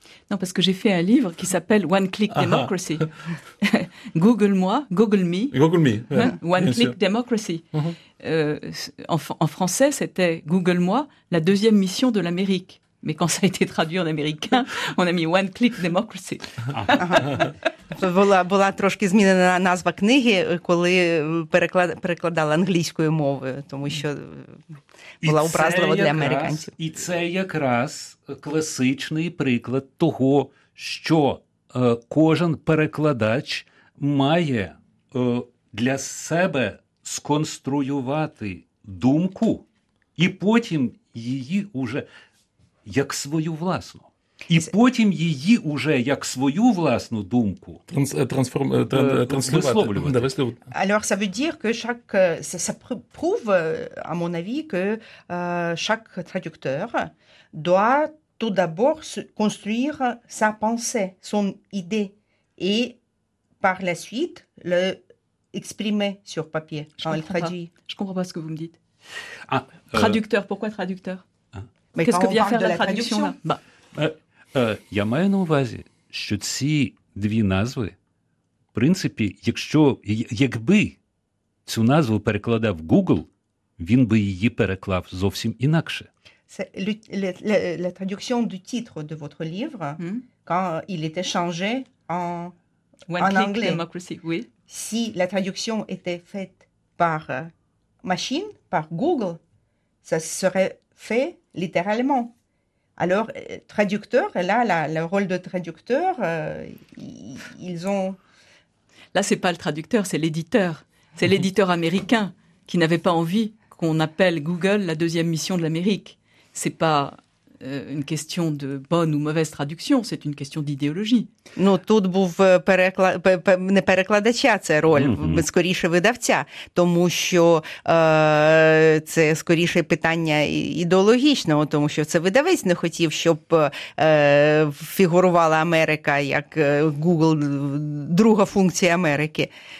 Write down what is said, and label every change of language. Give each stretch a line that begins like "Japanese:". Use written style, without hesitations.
French: Non, parce que j'ai fait un livre qui s'appelle One Click Democracy. Google-moi, Google-me. Google-me, ouais, hein? One Click Democracy. En français, c'était Google-moi, la deuxième mission de l'Amérique. Mais quand ça a été traduit en américain, on a mis One Click Democracy.
Ukrainian: Була трошки змінена назва книги, коли перекладала англійською мовою, тому що була образлива для американців. І це якраз класичний приклад того, що кожен перекладач має для себе сконструювати думку і потім її уже як свою власну. І потім її уже як свою власну думку висловлювати.
French: Alors, ça veut dire que chaque, ça prouve, à mon avis, que chaque traducteur doit tout d'abord construire sa pensée, son idée, et par la suite le exprimer sur papier quand il traduit. Je comprends pas ce que vous me dites. Traducteur, pourquoi traducteur? Hein? Qu'est-ce que vient faire la traduction, traduction là?
Ukrainian: Я маю на увазі, що ці дві назви, в принципі, якщо якби цю назву перекладав Google, він би її переклав зовсім інакше.
French: C'est la traduction du titre de votre livre quand il était changé en en anglais. Democracy, oui. Si la traduction était faite par machine, par Google, ça serait fait littéralement. Alors, traducteur, là, le rôle de traducteur, ils ont... Là, ce n'est pas le traducteur, c'est l'éditeur. C'est l'éditeur américain qui n'avait pas envie qu'on appelle Google la deuxième mission de l'Amérique. Ce n'est pas une question de bonne ou mauvaise traduction, c'est une question d'idéologie.
Ukrainian: Ну, тут був не перекладача це роль, скоріше видавця, тому що це скоріше питання ідеологічного, тому що це видавець не хотів, щоб фігурувала Америка як Google, друга функція Америки.